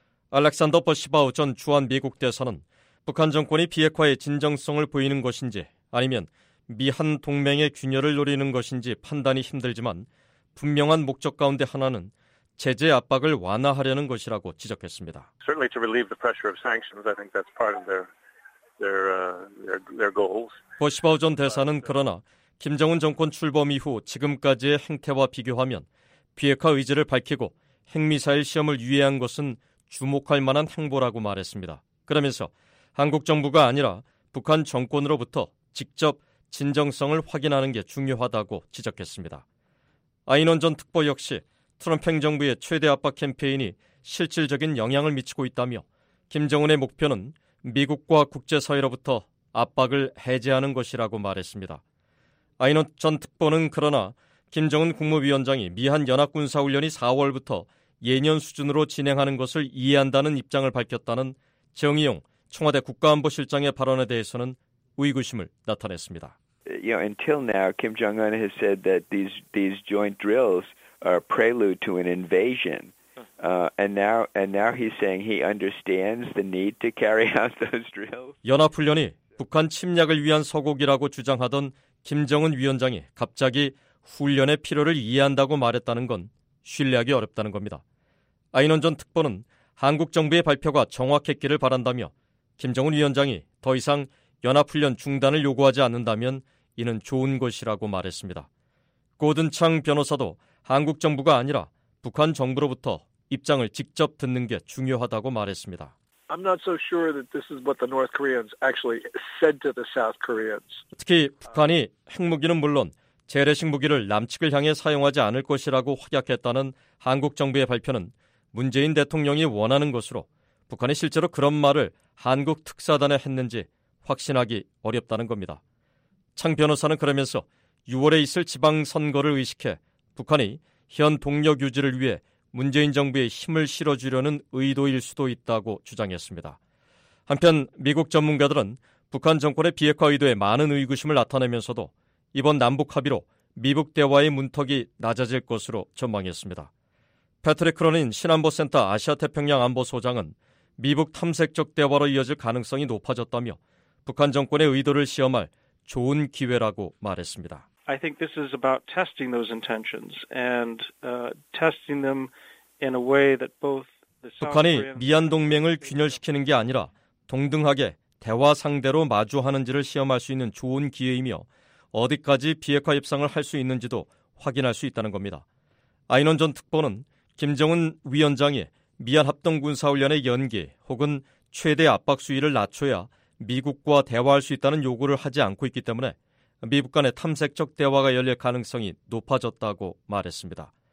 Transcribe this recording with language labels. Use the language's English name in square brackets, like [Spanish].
[Korean] 알렉산더 버시바우 전 주한미국 대사는 북한 정권이 비핵화의 진정성을 보이는 것인지 아니면 미한 동맹의 균열을 노리는 것인지 판단이 힘들지만 분명한 목적 가운데 하나는 제재 압박을 완화하려는 것이라고 지적했습니다. [English] Certainly to relieve the pressure of sanctions, I think that's part of their their goals. [Korean] 버시바우 전 대사는 그러나 김정은 정권 출범 이후 지금까지의 행태와 비교하면 비핵화 의지를 밝히고 핵미사일 시험을 유예한 것은 주목할 만한 행보라고 말했습니다. 그러면서 한국 정부가 아니라 북한 정권으로부터 직접 진정성을 확인하는 게 중요하다고 지적했습니다. 아이논 전 특보 역시 트럼프 행정부의 최대 압박 캠페인이 실질적인 영향을 미치고 있다며 김정은의 목표는 미국과 국제사회로부터 압박을 해제하는 것이라고 말했습니다. 아이논 전 특보는 그러나 김정은 국무위원장이 미한 연합군사훈련이 4월부터 예년 수준으로 진행하는 것을 이해한다는 입장을 밝혔다는 정의용 청와대 국가안보실장의 발언에 대해서는 의구심을 나타냈습니다. [English] You know, until now, Kim Jong-un has said that these joint drills are prelude to an invasion. And now he's saying he understands the need to carry out those drills. [Korean] 연합훈련이 북한 침략을 위한 서곡이라고 주장하던 김정은 위원장이 갑자기 훈련의 필요를 이해한다고 말했다는 건 신뢰하기 어렵다는 겁니다. 아이논 전 특보는 한국 정부의 발표가 정확했기를 바란다며 김정은 위원장이 더 이상 연합훈련 중단을 요구하지 않는다면 이는 좋은 것이라고 말했습니다. 고든 창 변호사도 한국 정부가 아니라 북한 정부로부터 입장을 직접 듣는 게 중요하다고 말했습니다. [English] I'm not so sure that this is what the North Koreans actually said to the South Koreans. [Korean] 특히 북한이 핵무기는 물론 재래식 무기를 남측을 향해 사용하지 않을 것이라고 확약했다는 한국 정부의 발표는 문재인 대통령이 원하는 것으로 북한이 실제로 그런 말을 한국 특사단에 했는지 확신하기 어렵다는 겁니다. 창 변호사는 그러면서 6월에 있을 지방선거를 의식해 북한이 현 동력 유지를 위해 문재인 정부의 힘을 실어주려는 의도일 수도 있다고 주장했습니다. 한편 미국 전문가들은 북한 정권의 비핵화 의도에 많은 의구심을 나타내면서도 이번 남북 합의로 미북 대화의 문턱이 낮아질 것으로 전망했습니다. 패트릭 크로닌 신안보센터 아시아태평양 안보소장은 미북 탐색적 대화로 이어질 가능성이 높아졌다며 북한 정권의 의도를 시험할 좋은 기회라고 말했습니다. [English] I think this is about testing those intentions and testing them in a way that both the South Korean [Korean] 북한이 미한 동맹을 균열시키는 게 아니라 동등하게 대화 상대로 마주하는지를 시험할 수 있는 좋은 기회이며 어디까지 비핵화 협상을 할 수 있는지도 확인할 수 있다는 겁니다. 아이논 전 특보는 김정은 위원장이 미한 합동 군사훈련의 연기 혹은 최대 압박 수위를 낮춰야 미국과 대화할 수 있다는 요구를 하지 않고 있기 때문에 미북 간의 탐색적 대화가 열릴 가능성이 높아졌다고 말했습니다.